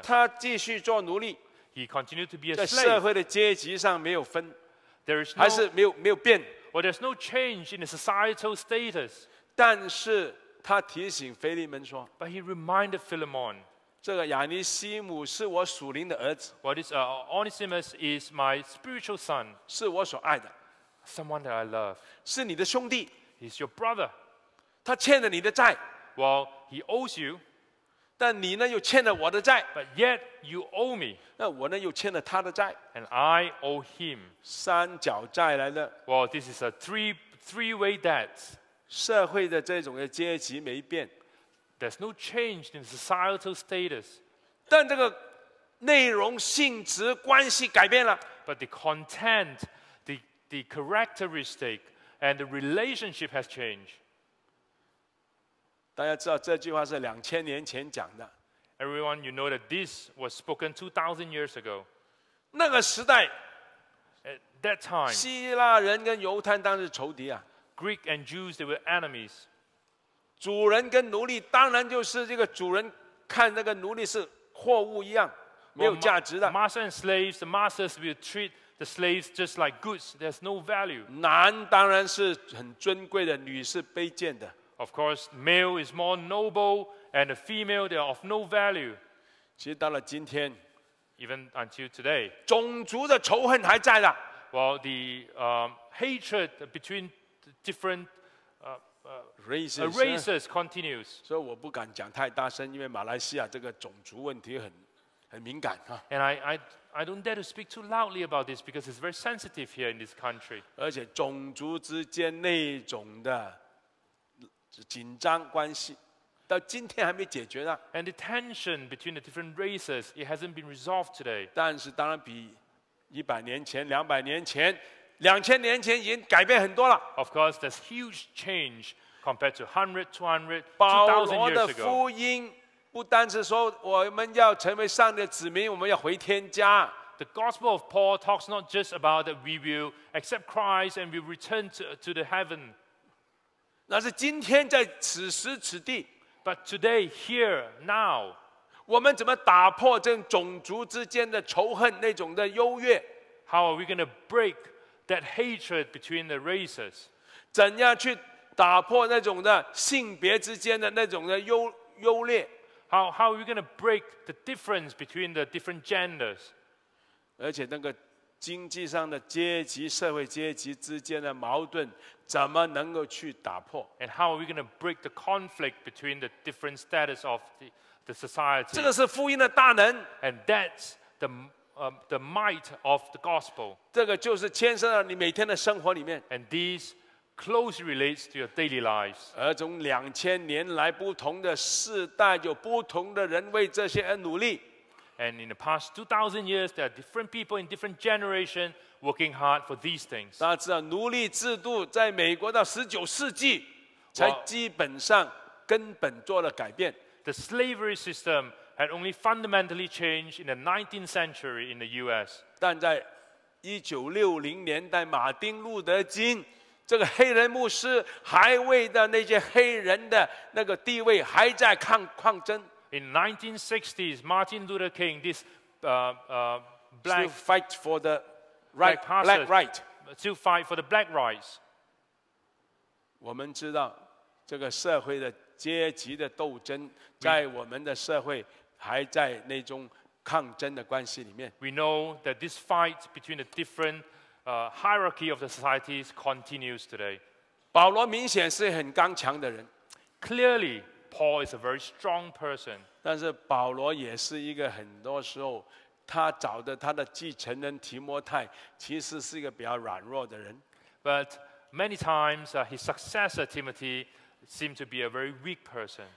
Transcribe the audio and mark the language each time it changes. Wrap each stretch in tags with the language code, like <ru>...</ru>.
<zh>他继续做奴隶。</zh> <en>He continued to be a slave.</en> <zh>在社会的阶级上没有分。</zh> <en>There is no,</en> <zh>还是没有变。</zh> <en>Well, there's no change in the societal status.</en> <zh>但是他提醒腓利门说。</zh> <en>But he reminded Philemon.</en> <zh>这个亚尼西姆是我属灵的儿子。</zh> <en>What is Onesimus is my spiritual son.</en> <zh>是我所爱的。</zh> <en>Someone that I love.</en> <zh>是你的兄弟。</zh> <en>He's your brother.</en> <zh>他欠了你的债。</zh> <en>Well, he owes you.</en> <zh>但你呢又欠了我的债。</zh> <en>But yet you owe me.</en> <zh>那我呢又欠了他的债。</zh> <en>And I owe him.</en> <zh>三角债来的。</zh> <en>Well, this is a three-way debt.</en> <zh>社会的这种的阶级没变。</zh> <en>There's no change in societal status.</en> <zh>但这个内容性质关系改变了。</zh> <en>But the content, the characteristic, and the relationship has changed.</en> <zh>大家知道这句话是两千年前讲的。</zh> <en>Everyone, you know that this was spoken 2,000 years ago.</en> <zh>那个时代</zh> <en>，at that time,</en> <zh>希腊人跟犹太当时仇敌啊。</zh> <en>Greek and Jews, they were enemies.</en> <zh>主人跟奴隶当然就是这个主人看那个奴隶是货物一样没有价值的。</zh> <en>Master and slaves, the masters will treat the slaves just like goods. There's no value.</en> <zh>男当然是很尊贵的女是卑贱的。</zh> <en>Of course, male is more noble and the female, they are of no value.</en> <zh>其实到了今天</zh> <en>even until today,</en> <zh>种族的仇恨还在的。</zh> <en>Well, the hatred between the different Races continues.</en> <zh>所以我不敢讲太大声，因为马来西亚这个种族问题很敏感啊。</zh> <en>And I don't dare to speak too loudly about this because it's very sensitive here in this country.</en> <zh>而且种族之间那种的紧张关系，到今天还没解决呢。</zh> <en>And the tension between the different races, it hasn't been resolved today.</en> <zh>但是当然比一百年前、两百年前、两千年前已经改变很多了。</zh> <en>Of course, there's huge change. Compared to 100, 200, 2,000 years ago. 保罗</en> <zh>的福音不单是说我们要成为上帝的子民，我们要回天家。</zh> <en>The Gospel of Paul talks not just about that we will accept Christ and we return to the heaven.</en> <zh>那是今天在此时此地。</zh> <en>But today, here, now,</en> <zh>我们怎么打破这种族之间的仇恨那种的优越？</zh> <en>How are we going to break that hatred between the races?</en> <zh>怎样去打破那种的性别之间的那种的优劣。</zh> <en>How are we going to break the difference between the different genders?</en> <zh>而且那个经济上的阶级、社会阶级之间的矛盾怎么能够去打破？</zh> <en>And how are we going to break the conflict between the different status of the society?</en> <zh>这个是福音的大能。</zh> <en>And that's the might of the gospel.</en> <zh>这个就是牵涉到你每天的生活里面。</zh> <en>And these. Close relates to your daily lives.</en> <zh>而从两千年来，不同的世代有不同的人为这些而努力。</zh> <en>And in the past 2,000 years, there are different people in different generations working hard for these things.</en> <zh>大家知道，奴隶制度在美国到十九世纪才基本上根本做了改变。</zh> <en>The slavery system had only fundamentally changed in the 19th century in the U.S.</en> <zh>但在1960年代，马丁·路德·金这个黑人牧师还为的那些黑人的那个地位还在抗争。</zh> <en>In 1960s, Martin Luther King, this black still fight for the right, black, pastor, black right, still fight for the black rights.</en> <zh>我们知道这个社会的阶级的斗争，在我们的社会还在那种抗争的关系里面。</zh> <en>We know that this fight between the differentHierarchy of the societies continues today.</en> <zh>保罗明显是很刚强的人。</zh> <en>Clearly, Paul is a very strong person.</en> <zh>但是保罗也是一个很多时候他找的他的继承人提摩太其实是一个比较软弱的人。</zh> <en>But many times, his successor Timothy seemed to be a very weak person.</en>